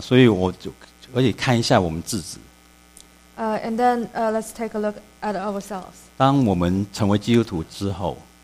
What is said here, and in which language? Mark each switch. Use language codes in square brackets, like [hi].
[zh] 所以我就可以看一下我们自己。 [en] And then let's take a look at ourselves. [zh] 当我们成为基督徒之后。